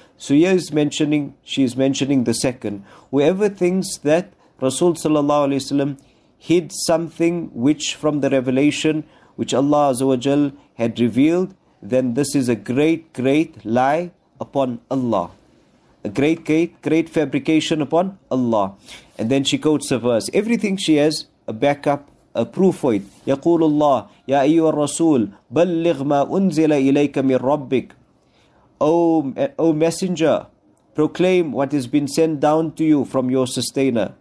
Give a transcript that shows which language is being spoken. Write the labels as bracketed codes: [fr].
[en] So here is mentioning, she is mentioning the second. Whoever thinks that Rasul sallallahu alayhi wa sallam hid something which from the revelation which Allah azza wa jal had revealed, then this is a great, great lie upon Allah. A great, great, great fabrication upon Allah. And then she quotes a verse. Everything she has, a backup, a proof for it. [ar] يقول الله يا أيها الرسول بلغ ما أنزل إليك من ربك. [en] O messenger, proclaim what has been sent down to you from your sustainer.